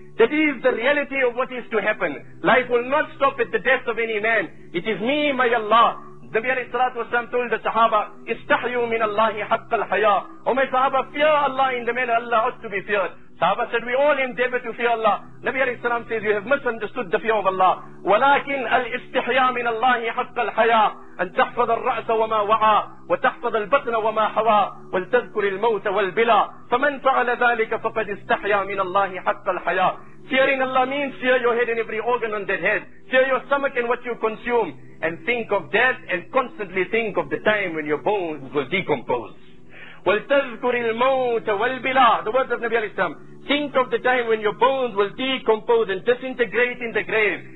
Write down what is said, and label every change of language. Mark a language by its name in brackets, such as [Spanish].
[English] That is the reality of what is to happen. Life will not stop at the death of any man. It is me, my Allah. Nabi alayhi salatu wasalam told the Sahaba, [Arabic] istahyu min Allahi haqqal haya. [English] O my Sahaba, fear Allah in the manner Allah ought to be feared. Sahaba said, we all endeavor to fear Allah. Nabi alayhi salam says, you have misunderstood the fear of Allah. [Arabic] Walakin al-istihya min Allahi haqqal haya. أن تحفظ الرأس وما وعى وتحفظ البطن وما حوى ولتذكر الموت والبلى فمن فعل ذلك فقد استحيا من الله حق الحياة. [English] Fearing Allah means fear your head and every organ on that head. Fear your stomach and what you consume. And think of death and constantly think of the time when your bones will decompose. [Arabic] ولتذكر الموت والبلى. [English] The words of Nabi al-Islam. Think of the time when your bones will decompose and disintegrate in the grave.